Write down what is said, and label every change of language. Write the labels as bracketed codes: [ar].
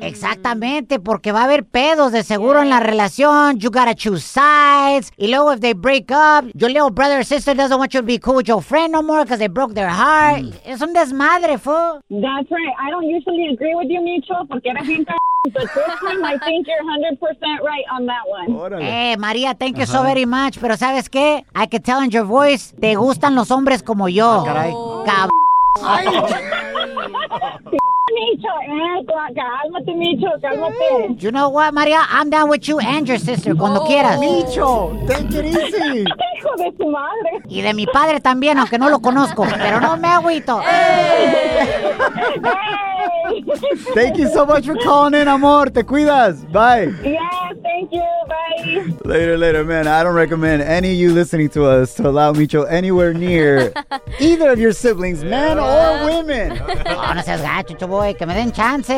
[es] Exactamente, porque va a haber pedos de seguro en la relación. [en] You gotta choose sides. [es] Y luego, [en] if they break up, your little brother or sister doesn't want you to be cool with your friend no more because they broke their heart. [es] Mm. Es un desmadre, fool. [en] That's right. I don't usually agree with you, Micho, [es] porque eres un c***o. [en] But this time, I think you're 100% right on that one. Hey, Maria, thank you so very much. [es] Pero ¿sabes qué? [en] I can tell in your voice, [es] te gustan los hombres como yo. Oh, caray. Cabrón. [en] You know what, Maria? I'm down with you and your sister, [es] cuando quieras. [en] Micho, take it easy. [es] Hijo de tu madre. Y de mi padre también, aunque no lo conozco. Pero no me agüito. [en] Thank you so much for calling in, amor. [es] Te cuidas. [en] Bye. Yeah, thank you. Bye. Later, later, man. I don't recommend any of you listening to us to allow Micho anywhere near either of your siblings, men or women. [es] No seas gacho, chavoy. Que me den chance.